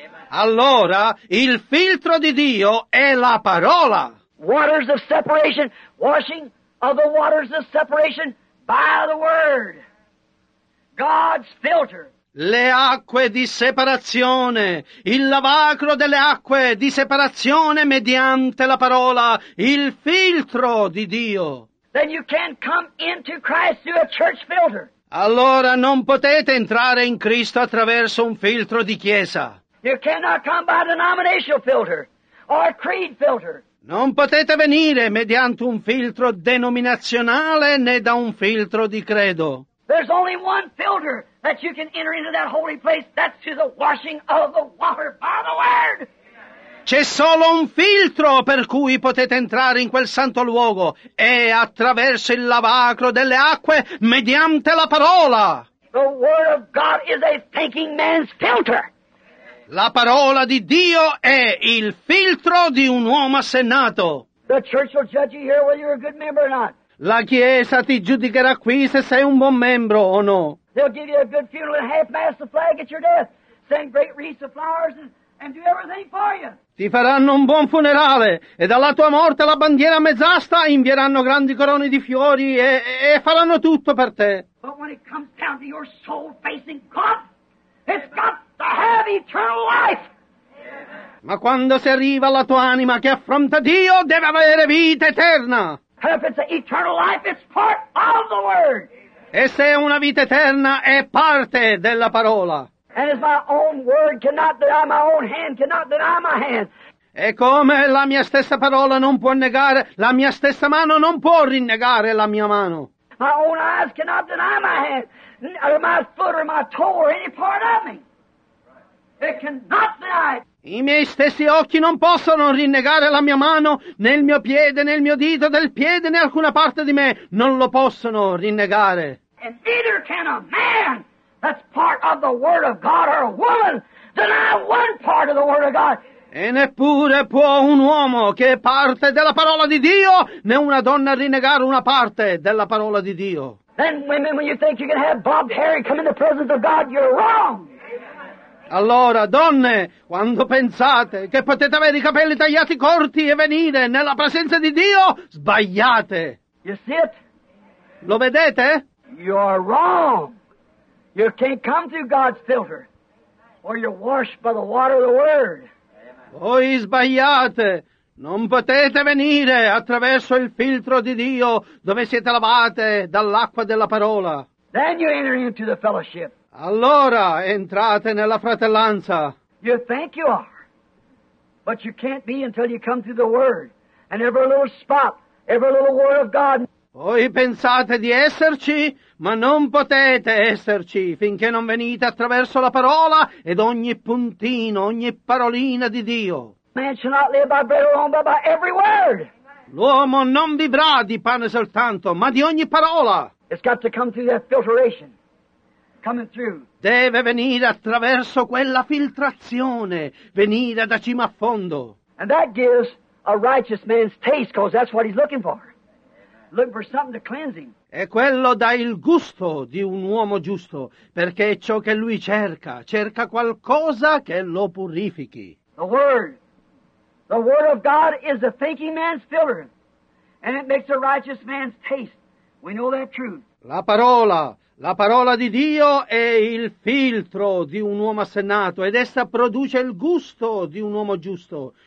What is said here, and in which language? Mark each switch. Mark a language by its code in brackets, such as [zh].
[it] Allora, il filtro di Dio è la parola. [en] Waters of separation, washing of the waters of separation. By the word, God's filter. [it] Le acque di separazione, il lavacro delle acque di separazione mediante la parola, il filtro di Dio. [en] Then you can't come into Christ through a church filter. [it] Allora non potete entrare in Cristo attraverso un filtro di chiesa. [en] You cannot come by denominational filter or creed filter. [it] Non potete venire mediante un filtro denominazionale né da un filtro di credo. [en] There's only one filter that you can enter into that holy place. That's through the washing of the water by the Word. [it] C'è solo un filtro per cui potete entrare in quel santo luogo. È attraverso il lavacro delle acque mediante la parola. [en] The Word of God is a thinking man's filter. [it] La parola di Dio è il filtro di un uomo assennato. [en] The church will judge you here whether you're a good member or not. [it] La Chiesa ti giudicherà qui se sei un buon membro o no. [en] They'll give you a good funeral and half mast the flag at your death. Send great wreaths of flowers and do everything for you. [it] Ti faranno un buon funerale e dalla tua morte la bandiera mezz'asta invieranno grandi corone di fiori e faranno tutto per te. [en] But when it comes down to your soul facing God, it's got to have eternal life. [it] Ma quando si arriva alla tua anima che affronta Dio, deve avere vita eterna. [en] And if it's an eternal life, it's part of the Word. [it] E se è una vita eterna, è parte della parola. [en] And as my own word cannot deny my own hand, cannot deny my hand. [it] E come la mia stessa parola non può negare, la mia stessa mano non può rinnegare la mia mano. [en] My own eyes cannot deny my hand, or my foot, or my toe, or any part of me. It cannot deny it. [it] I miei stessi occhi non possono rinnegare la mia mano, né il mio piede, né il mio dito del piede, né alcuna parte di me. Non lo possono rinnegare. [en] And neither can a man that's part of the Word of God or a woman deny one part of the Word of God. [it] E neppure può un uomo che è parte della parola di Dio, né una donna rinnegare una parte della parola di Dio. [en] Then women, when you think you can have Bob Harry come in the presence of God, you're wrong. [it] Allora, donne, quando pensate che potete avere i capelli tagliati corti e venire nella presenza di Dio, sbagliate. [en] You see it? [it] Lo vedete? [en] You are wrong. You can't come through God's filter, or you're washed by the water of the Word. [it] Voi sbagliate. Non potete venire attraverso il filtro di Dio dove siete lavate dall'acqua della parola. [en] Then you enter into the fellowship. [it] Allora entrate nella fratellanza. [en] You think you are, but you can't be until you come through the Word. And every little spot, every little word of God. [it] Voi pensate di esserci, ma non potete esserci finché non venite attraverso la parola ed ogni puntino, ogni parolina di Dio. [en] Man shall not live by bread alone, but by every word. [it] L'uomo non vivrà di pane soltanto, ma di ogni parola. [en] It's got to come through that filtration. Coming through. [it] Deve venire attraverso quella filtrazione, venire da cima a fondo. [en] And that gives a righteous man's taste, because that's what he's looking for. Looking for something to cleanse him. [it] E quello dà il gusto di un uomo giusto, perché è ciò che lui cerca. Cerca qualcosa che lo purifichi. [en] The Word of God is a thinking man's filter, and it makes a righteous man's taste. We know that truth. [it] La parola di Dio è il filtro di un uomo assennato ed essa produce il gusto di un uomo giusto.